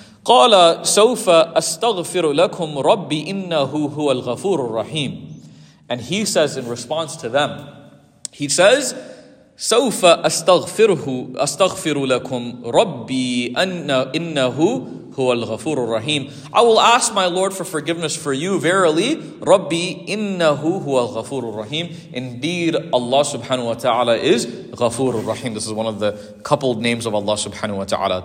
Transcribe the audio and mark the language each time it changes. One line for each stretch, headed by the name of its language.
Arabic: قال سوف أستغفر لكم ربي إنه هو الغفور الرحيم.
English: And he says in response to them, he says,
Arabic: سوف أستغفر لكم ربي إنه هو الغفور الرحيم.
English: I will ask my Lord for forgiveness for you. Verily,
Arabic: ربي إنه هو الغفور الرحيم.
English: Indeed, Allah subhanahu wa ta'ala is
Arabic: غفور الرحيم.
English: This is one of the coupled names of Allah subhanahu wa ta'ala.